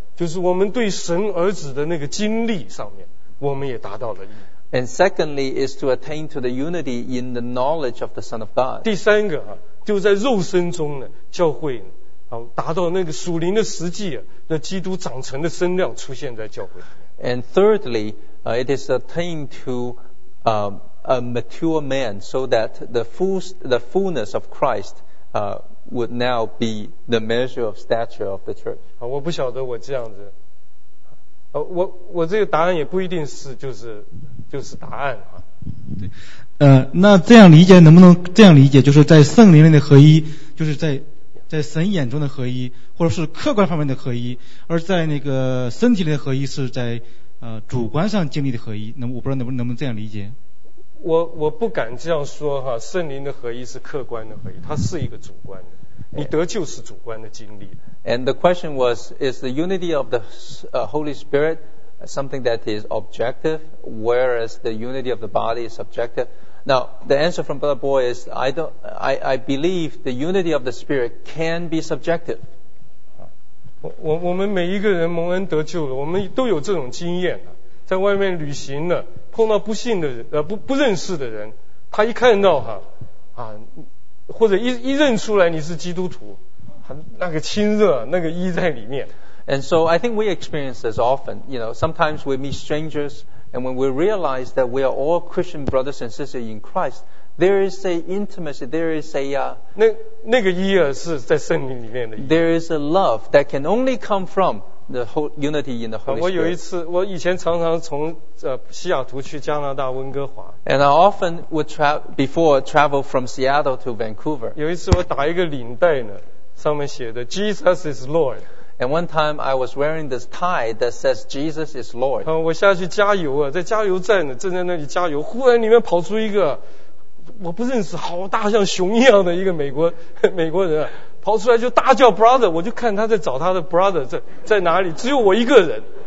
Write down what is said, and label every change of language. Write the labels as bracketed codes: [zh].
[zh] 就是我们对神儿子的那个经历上面，我们也达到了一。 [en] And secondly is to attain to the unity in the knowledge of the Son of God. [zh] 第三个啊，就在肉身中呢，教会啊，达到那个属灵的实际啊，那基督长成的身量出现在教会。 [en] And thirdly, it is attained to a mature man, so that the fullness of Christ. Would now be the measure of stature of the church. [zh] 我不晓得我这样子我这个答案也不一定是就是答案啊。对，那这样理解能不能这样理解，就是在圣灵里的合一，就是在神眼中的合一，或者是客观方面的合一，而在那个身体里的合一是在主观上经历的合一。那么我不知道能不能这样理解。我不敢这样说哈，圣灵的合一是客观的合一，它是一个主观的，你得救是主观的经历。 [en] And the question was, is the unity of the Holy Spirit something that is objective, whereas the unity of the body is subjective? Now, the answer from Brother Boy is, I believe the unity of the Spirit can be subjective. [zh] 我们每一个人蒙恩得救了，我们都有这种经验的，在外面旅行的，碰到不信的人，不认识的人，他一看到哈，或者一认出来你是基督徒，那个亲热，那个一在里面。 [en] And so I think we experience this often. You know, sometimes we meet strangers, and when we realize that we are all Christian brothers and sisters in Christ, there is a intimacy, there is a [zh] 那个一啊是在圣灵里面的。 [en] There is a love that can only come from the whole unity in the Holy Spirit. [zh] 我有一次，我以前常常从西雅图去加拿大温哥华。 [en] And I often would travel from Seattle to Vancouver. [zh] 有一次我打一个领带呢，上面写的 [en] Jesus is Lord。 And one time I was wearing this tie that says Jesus is Lord. [zh] 我下去加油啊，在加油站呢，正在那里加油，忽然里面跑出一个我不认识，好大像熊一样的一个美国人，跑出来就大叫 brother， 我就看他在找他的 brother 在哪里，只有我一个人。